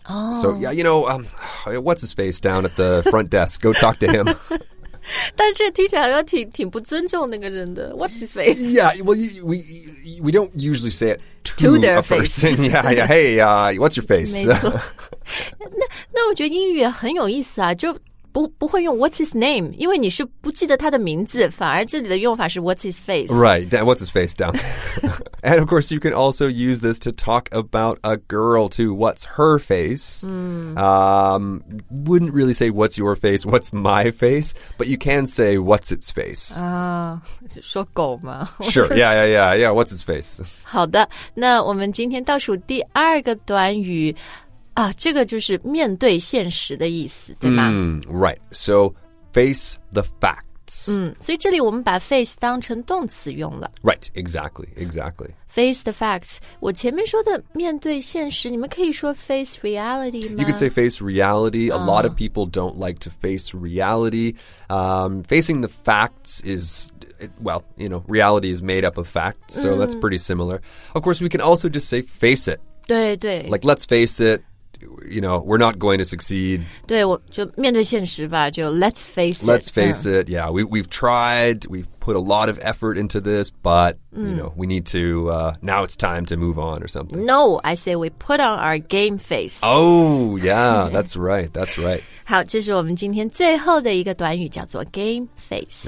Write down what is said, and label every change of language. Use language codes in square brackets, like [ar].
[zh] 哦。 [en] So, yeah, you know, what's his face down at the front desk? Go talk to him. [zh] 但这听起来好像挺不尊重那个人的。 [en] What's his face? Yeah, well, we don't usually say it to their face. Yeah, yeah. Hey, what's your face? [zh] 没错。那我觉得英语很有意思啊，就不会用 [en] What's his name? [zh] 因为你是不记得他的名字，反而这里的用法是 [en] What's his face? Right, what's his face down? And of course, you can also use this to talk about a girl too. What's her face? Wouldn't really say what's your face, what's my face, but you can say what's its face. [zh] 说狗吗？ [en] Sure, yeah, what's its face? [zh] 好的，那我们今天倒数第二个短语啊，这个就是面对现实的意思，对吗？ [en] Right. So, face the facts. [zh] 所以这里我们把 face 当成动词用了。 [en] Right. Exactly. Exactly. Face the facts. [zh] 我前面说的面对现实，你们可以说 [en] face reality [zh] 吗？ [en] You could say face reality. A lot of people don't like to face reality. Facing the facts is, well, you know, reality is made up of facts. So, that's pretty similar. Of course, we can also just say face it. [zh] 对对。 [en] Like, let's face it. You know, we're not going to succeed. [zh] 对，我就面对现实吧，就 [en] let's face it. Let's face it. Yeah, we've tried. We've put a lot of effort into this, but, you know, we need to, now it's time to move on or something. No, I say we put on our game face. Oh, yeah, that's right. That's right. [zh] 好，这是我们今天最后的一个短语，叫做 game face.